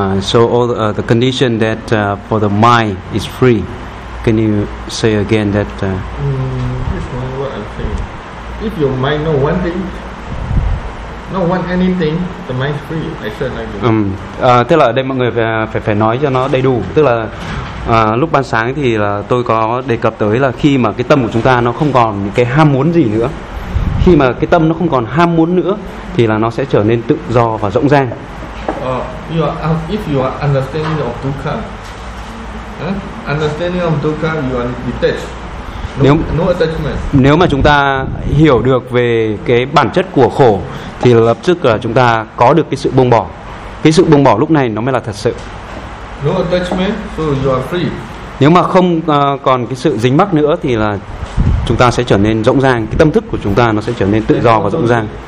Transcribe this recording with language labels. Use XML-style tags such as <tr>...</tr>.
<en>So all the condition that for the mind is free. Can you say again that? This morning what I'm saying. If your mind know one thing, know one anything, the mind is free. I said like that.</en> <vi>Tức là đây mọi người phải nói cho nó đầy đủ. Tức là lúc ban sáng thì là tôi có đề cập tới là khi mà cái tâm của chúng ta nó không còn cái ham muốn gì nữa, khi mà cái tâm nó không còn ham muốn nữa thì là nó sẽ trở nên tự do và rộng ràng.</vi> <en>If you are understanding of dukkha, understanding of dukkha, you are detached. No attachment.</en> <vi>Nếu mà chúng ta hiểu được về cái bản chất của khổ thì lập tức là chúng ta có được cái sự buông bỏ. Cái sự buông bỏ lúc này nó mới là thật sự.</vi> <en>No attachment, so you are free.</en> <vi>Nếu mà không còn cái sự dính mắc nữa thì là chúng ta sẽ trở nên rộng ràng, cái tâm thức của chúng ta nó sẽ trở nên tự do và rộng ràng.</vi>